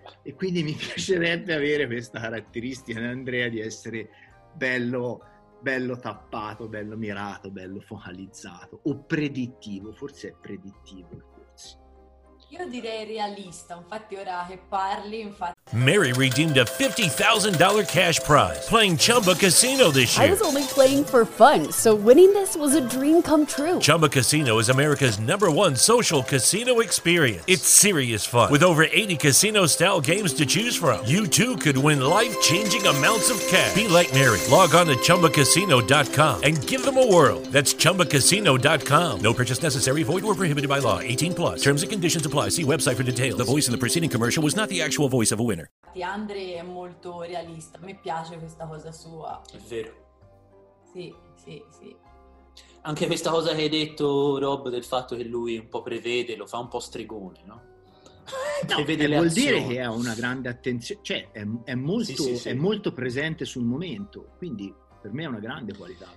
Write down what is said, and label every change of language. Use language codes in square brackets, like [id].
[it] E quindi mi piacerebbe avere questa caratteristica di Andrea, di essere bello, bello tappato, bello mirato, bello focalizzato, o predittivo, forse è predittivo. Io direi realista, infatti ora che parli, infatti. [en] Mary redeemed a $50,000 cash prize playing Chumba Casino this year. I was only playing for fun, so winning this was a dream come true. Chumba Casino is America's number one social casino experience. It's serious fun. With over 80 casino-style games to choose from, you too could win life-changing amounts of cash. Be like Mary. Log on to ChumbaCasino.com and give them a whirl. That's ChumbaCasino.com. No purchase necessary. Void where prohibited by law. 18+. Terms and conditions apply. See website for details. The voice in the preceding commercial was not the actual voice of a winner. [it] Andre è molto realista, mi piace questa cosa sua. È vero. Sì, sì, sì. Anche questa cosa che hai detto, Rob, del fatto che lui un po' prevede, lo fa un po' stregone, no? Prevede, no, le vuol azioni. Dire che ha una grande attenzione, cioè è molto, sì, sì, sì, è molto presente sul momento, quindi per me è una grande qualità.